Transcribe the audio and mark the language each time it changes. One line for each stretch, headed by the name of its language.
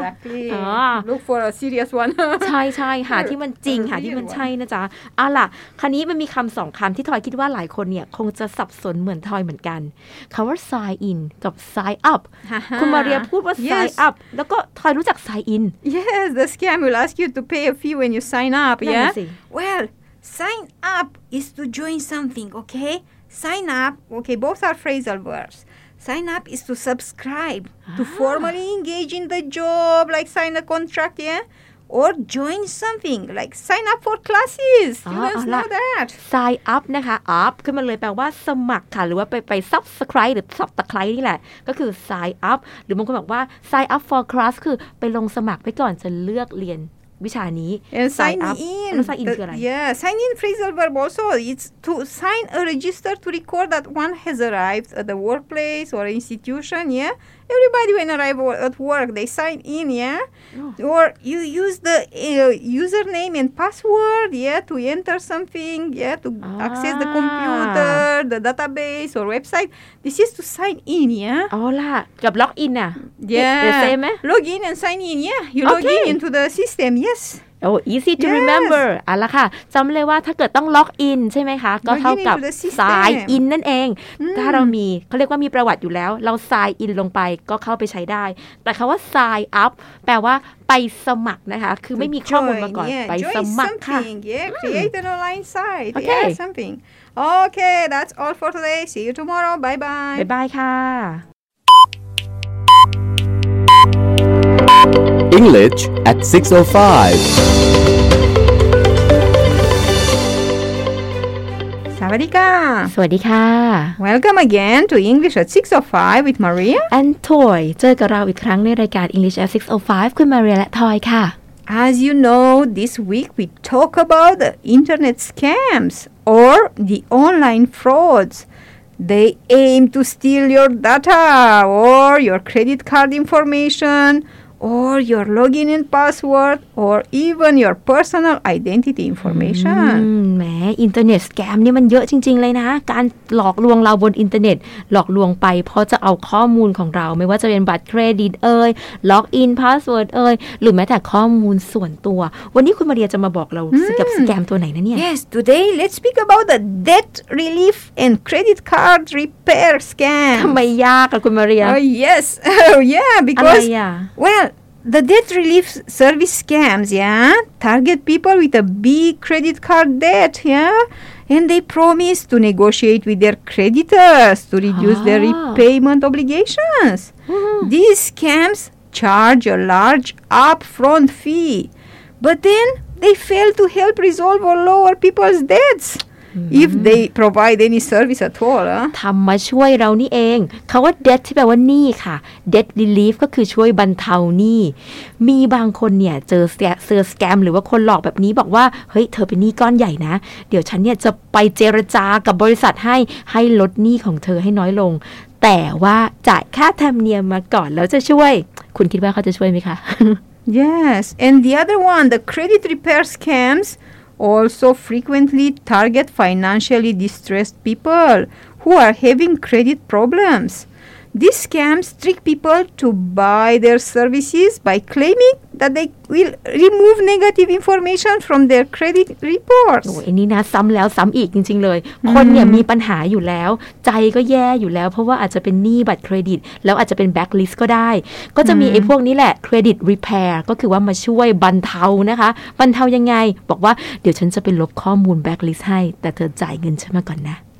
English: exactly. Look for a serious one
Thai: ใช่ๆหาที่มันจริงหาที่มันใช่นะจ๊ะเอาล่ะคราวนี้มันมีคำสองคำที่ทอยคิดว่าหลายคนเนี่ยคงจะสับสนเหมือนทอยเหมือนกันคำว่า sign in กับ sign up คุณมาเรียพูดว่า sign up แล้วก็ทอยรู้จัก sign in
English: Yes the scam will ask you to pay a fee when you sign up yeah Well sign up is to join something okay sign up okay both are phrasal verbsSign up is to subscribe, to formally engage in the job, like sign a contract, yeah? Or join something, like sign up for classes. Students know that.
Thai: Sign up นะคะ up ขึ้นมาเลยแปลว่าสมัครค่ะหรือว่าไป subscribe หรือ subscribe นี่แหละก็คือ sign up หรือบางคนบอกว่า sign up for class คือไปลงสมัครไปก่อนจะเลือกเรียนวิชานี้
English: sign in
Thai: คืออะไร
English: yeah sign in phrasal verb also it's to sign a register to record that one has arrived at the workplace or institution yeah everybody when arrive at work they sign in yeah or you use the username and password yeah to enter something yeah to access the computer the database or website this is to sign in yeah oh la กับ log in อ่ะ yeah the same eh? log in and sign in yeah you log in into the system yes Oh, easy to remember.
Thai: อ่ะล่ะค่ะจำเลยว่าถ้าเกิดต้องล็อกอินใช่ไหมคะก็เท่ากับ sign in นั่นเองถ้าเรามีเขาเรียกว่ามีประวัติอยู่แล้วเรา sign in ลงไปก็เข้าไปใช้ได้แต่คำว่า sign up แปลว่าไปสมัครนะคะคือไม่มีข้อมูลมาก่อนไปสมัครค่ะ
English: Create an online site. Okay. Something. Okay. That's all for today. See you tomorrow. Bye bye. Bye bye ค่ะ English at 6:05.
Thai: สวัสดีค่ะ สวัสดีค่ะ
English: Welcome again to English at 6:05 with Maria and Toy.
Thai: เจอกับเราอีกครั้งในรายการ English at 6:05 คุณ Maria และ Toy ค่ะ
English: As you know, this week we talk about the internet scams or the online frauds. They aim to steal your data or your credit card information or your login and password or even your personal identity information.
Thai: แหมอินเทอร์เน็ตสแกมนี่มันเยอะจริงๆเลยนะการหลอกลวงเราบนอินเทอร์เน็ตหลอกลวงไปเพราะจะเอาข้อมูลของเราไม่ว่าจะเป็นบัตรเครดิตเอ่ยล็อกอินพาสเวิร์ดเอ่ยหรือแม้แต่ข้อมูลส่วนตัววันนี้คุณมาเรียจะมาบอกเรากับสแกมตัวไหนนะเนี่ย
English: Yes today let's speak about the debt relief and credit card repair scam
Thai: ทำไมยากอ่ะคุณมาเรีย
English: yes yeah because well the debt relief service scams yeah target people with a big credit card debt yeahAnd they promise to negotiate with their creditors to reduce their repayment obligations. These scams charge a large upfront fee. But then they fail to help resolve or lower people's debts if they provide any service at all
Thai: ทํามาช่วยเรานี่เองคําว่า debt ที่แปลว่าหนี้ค่ะ debt relief ก็คือช่วยบรรเทาหนี้มีบางคนเนี่ยเจอ scam หรือว่าคนหลอกแบบนี้บอกว่าเฮ้ยเธอเป็นหนี้ก้อนใหญ่นะเดี๋ยวฉันเนี่ยจะไปเจรจากับบริษัทให้ลดหนี้ของเธอให้น้อยลงแต่ว่าจ่ายค่าธรรมเนียมมาก่อนแล้วจะช่วยคุณคิดว่าเขาจะช่วยมั้ยคะ
English: Yes and the other one the credit repair scamsAlso frequently target financially distressed people who are having credit problems. These scams trick people to buy their services by claiming that they will remove negative information from their credit reports.
Thai: โอ้ยนี่นะซ้ำแล้วซ้ำอีกจริงๆเลย คนเนี่ยมีปัญหาอยู่แล้วใจก็แย่อยู่แล้วเพราะว่าอาจจะเป็นหนี้บัตรเครดิตแล้วอาจจะเป็นแบ็คลิสต์ก็ได้ก็จะมีไอ้พวกนี้แหละเครดิตรีเพียร์ก็คือว่ามาช่วยบรรเทานะคะบรรเทายังไงบอกว่าเดี๋ยวฉันจะไปลบข้อมูลแบ็คลิสต์ให้แต่เธอจ่ายเงินฉันมาก่อนนะ